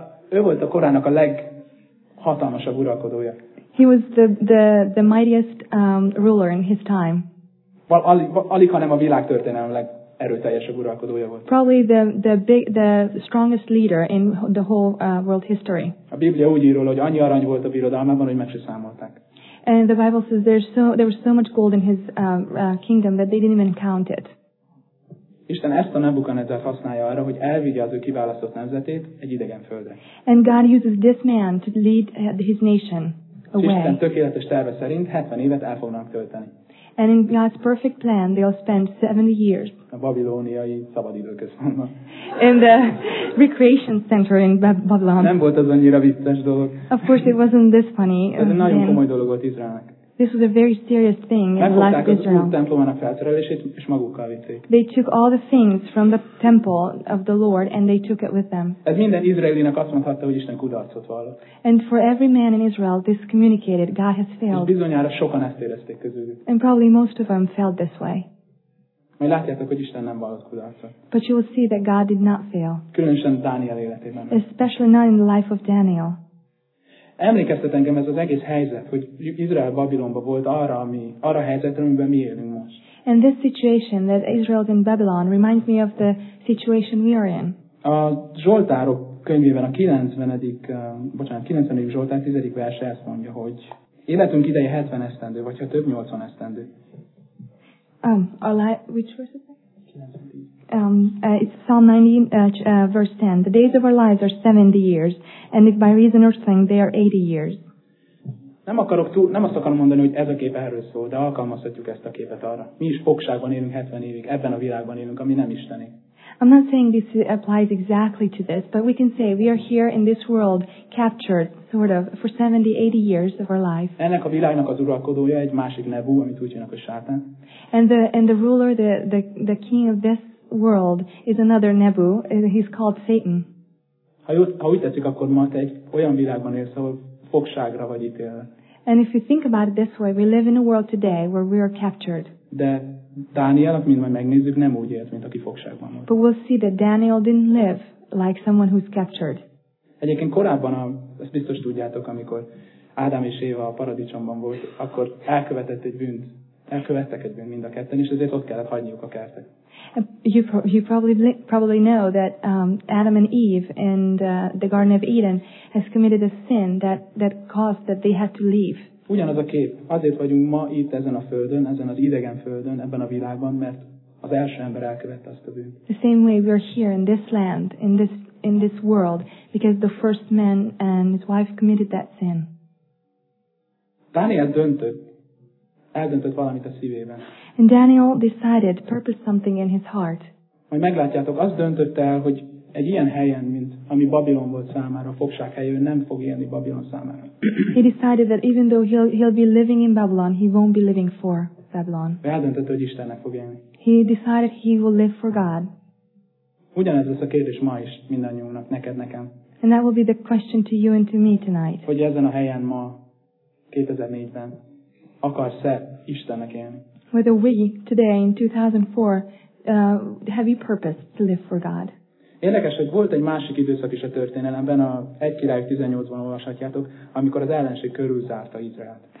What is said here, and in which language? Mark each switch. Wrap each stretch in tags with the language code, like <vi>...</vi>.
<hu>Ő volt a korának a leghatalmasabb uralkodója.</hu> <en>He was the mightiest ruler in his time.</en> <hu>Alig, hanem a világtörténelem legerőteljesebb uralkodója volt.</hu> <en>Probably the strongest leader in the whole world history.</en> <hu>A Biblia úgy ír róla, hogy annyi arany volt a birodalmában, hogy meg se számolták.</hu> <en>And the Bible says there was so much gold in his kingdom that they didn't even count it.</en> <hu>Isten ezt a Nebukadnezzárt használja arra, hogy elvigye az ő kiválasztott nemzetét egy idegen földre.</hu> <en>And God uses this man to lead his nation away.</en> <hu>És Isten tökéletes terve szerint 70 évet el fognak tölteni.</hu> <en>And in God's perfect plan, they'll spend 70 years.</en> <hu>A babiloniai szabadidőközpontban.</hu> <en>In the recreation center in Babylon.</en> <hu>Nem volt az annyira vicces dolog.</hu> <en>Of course, it wasn't this funny.</en> <hu>Ez egy nagyon komoly dolog volt Izraelnek.</hu> <en>This was a very serious thing in the life of Israel.</en> <hu>Megfogták az templomának felszerelését, és magukkal vitték.</hu> <en>They took all the things from the temple of the Lord and they took it with them.</en> <hu>Ez minden izraelinek azt mondhatta, hogy Isten kudarcot vallott.</hu> <en>And for every man in Israel, this communicated, God has failed.</en> <hu>És bizonyára sokan ezt érezték közülük.</hu> <en>And probably most of them felt this way.</en> <hu>Majd látjátok, hogy Isten nem vallott kudarcot.</hu> <en>But you will see that God did not fail.</en> <hu>Különösen Dániel életében.</hu> <en>Especially not in the life of Daniel.</en> <hu>Emlékeztet engem ez az egész helyzet, hogy Izrael Babilonban volt arra a helyzetre, amiben mi élünk most.</hu> <en>And this situation that Israel is in Babylon reminds me of the situation we are in.</en> <hu>A Zsoltárok könyvében a 94. Zsoltár 10. verse ezt mondja, hogy életünk ideje 70 esztendő, vagy ha több 80 esztendő.</hu> <en>Which verse is that? It's Psalm 90, verse 10. The days of our lives are 70 years, and if by reason or strength they are 80 years.</en> <hu>Nem azt akarom mondani, hogy ez a kép erről szól, de alkalmazhatjuk ezt a képet arra. Mi is fogságban élünk 70 évig, ebben a világban élünk, ami nem Istené.</hu> <en>I'm not saying this applies exactly to this, but we can say we are here in this world captured sort of for 70, 80 years of our life.</en> <hu>Ennek a világnak az uralkodója egy másik Nebu, amit úgy hívnak, hogy Sátán.</hu> <en>And the ruler, the king of this world is another Nebu, he's called Satan.</en> <hu>Ha úgy tetszik, akkor ma te egy olyan világban élsz, ahol fogságra vagy ítélve.</hu> <en>And if you think about it this way, we live in a world today where we are captured.</en> <hu>De Dániel, mint majd megnézzük, nem úgy élt, mint aki fogságban volt.</hu> <en>But we'll see that Daniel didn't live like someone who's captured.</en> <hu>Egyébként korábban, ezt biztos tudjátok, amikor Ádám és Éva a paradicsomban volt, akkor elkövetett egy bűnt. Elkövettek egy bűnt mind a ketten, és ezért ott kellett hagyniuk a kertet.</hu> <en>You probably know that Adam and Eve in the Garden of Eden has committed a sin that caused that they had to leave.</en> <hu>Ugyanaz a kép. Azért vagyunk ma itt ezen a földön, ezen az idegen földön, ebben a világban, mert az első ember elkövette azt a bűnt.</hu> <en>The same way we are here in this land, in this world, because the first man and his wife committed that sin.</en> <hu>Daniel döntött. Eldöntött valamit a szívében.</hu> <en>And Daniel decided, purposed something in his heart.</en> <hu>Majd meglátjátok, azt döntötte el, hogy egy ilyen helyen, mint ami Babilon volt számára, a fogság helyén, nem fog élni Babilon számára.</hu> <en>He decided that even though he'll be living in Babylon, he won't be living for Babylon.</en> <hu>Ő eldöntött, hogy Istennek fog élni.</hu> <en>He decided he will live for God.</en> <hu>Ugyanez lesz a kérdés ma is mindannyiunknak, neked, nekem.</hu> <en>And that will be the question to you and to me tonight.</en> <hu>Hogy ezen a helyen ma, 2004-ben, akarsz-e Istennek élni?</hu> <en>Whether we today in 2004 have you purpose to live for God?</en> <hu>Érdekes, hogy volt egy másik időszak is a történelemben, a 1 Királyok 18-ban olvashatjátok, amikor az ellenség körül zárta Izraelt.</hu>